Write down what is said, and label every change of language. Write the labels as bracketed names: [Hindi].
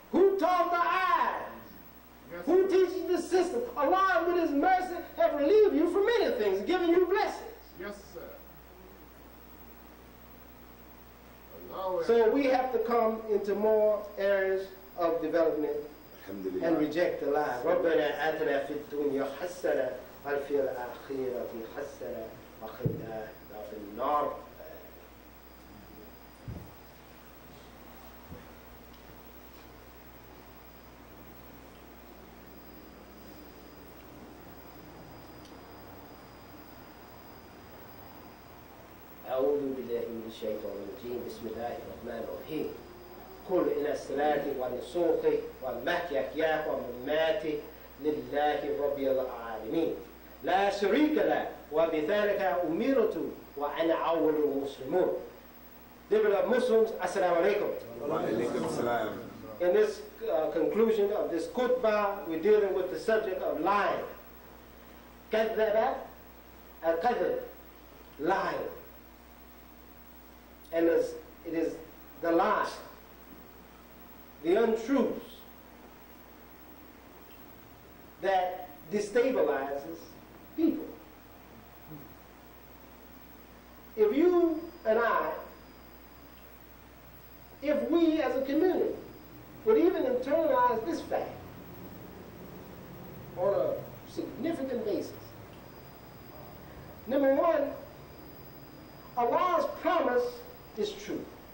[English] Who taught the eyes? Yes. Who teaches the system? Allah, with his mercy, have relieved you from many things, given you blessings. Yes, sir. So we have to come into more areas of development and reject the lie. [Arabic] ربنا آتنا في الدنيا حسنة وفي الآخرة حسنة وقنا عذاب النار. أعوذ بالله من الشيطان الرجيم. بسم الله الرحمن الرحيم. قل إن صلاتي ونسوخي ومحياي ومماتي لله رب العالمين لا شريك له وبذلك أمرت وأنا أول المسلمون. [English] Dear Muslims, assalamu alaikum. [Arabic] Wa alaikum assalam. [English] In this conclusion of this khutbah, we're dealing with the subject of lying. [Arabic] كذب الكذب, [English] lying. And it is the lie, the untruths that destabilizes people. If you and I, if we as a community would even internalize this fact on a significant basis, number one, Allah's promise is true.